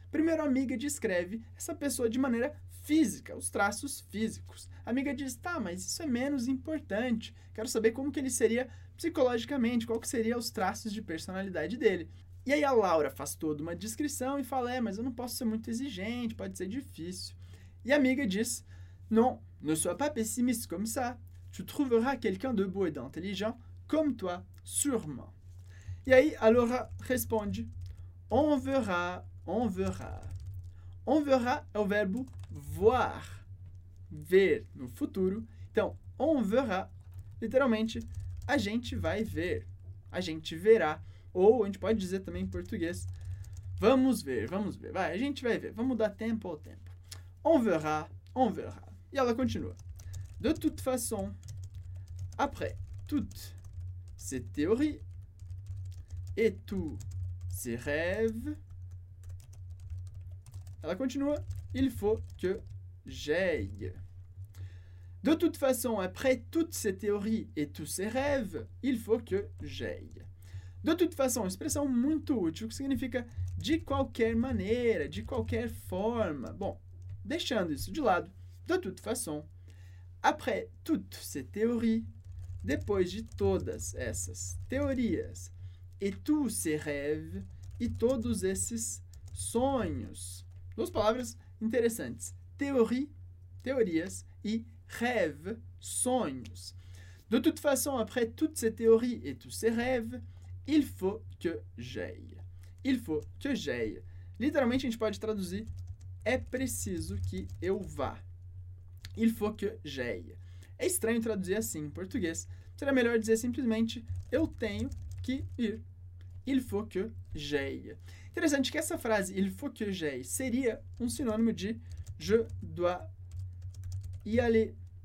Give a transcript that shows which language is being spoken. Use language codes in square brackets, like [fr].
[pt] Primeiro, a amiga descreve essa pessoa de maneira física, os traços físicos. A amiga diz, tá, mas isso é menos importante. Quero saber como que ele seria psicologicamente, qual que seria os traços de personalidade dele. E aí a Laura faz toda uma descrição e fala, mas eu não posso ser muito exigente, pode ser difícil. E a amiga diz, [fr] non, ne sois pas pessimiste comme ça. Tu trouveras quelqu'un de beau et d'intelligent comme toi, sûrement. [pt] E aí a Laura responde, [fr] on verra, on verra. On verra [pt] é o verbo voir, ver no futuro. Então, [fr] on verra, [pt] literalmente, a gente vai ver, a gente verá. Ou a gente pode dizer também em português, vamos ver, vai, a gente vai ver, vamos dar tempo ao tempo. [fr] On verra, on verra. [pt] E ela continua. [fr] De toute façon, après toutes ces théories et tous ces rêves, [pt] ela continua. [fr] Il faut que j'aille. De toute façon, après toutes ces théories et tous ces rêves, il faut que j'aille. De toute façon, [pt] expressão muito útil, que significa de qualquer maneira, de qualquer forma. Bom, deixando isso de lado, [fr] de toute façon, après toutes ces théories, [pt] depois de todas essas teorias, [fr] et tous ces rêves, [pt] e todos esses sonhos. Duas palavras interessantes, théorie, teorias, e rêve, sonhos. [fr] De toute façon, après toutes ces théories et tous ces rêves, il faut que j'aille. Il faut que j'aille. [pt] Literalmente, a gente pode traduzir, é preciso que eu vá. [fr] Il faut que j'aille. [pt] É estranho traduzir assim em português. Será melhor dizer simplesmente, eu tenho que ir. [fr] Il faut que j'aille. [pt] Interessante que essa frase, [fr] il faut que j'aille, [pt] seria um sinônimo de [fr] je dois y aller.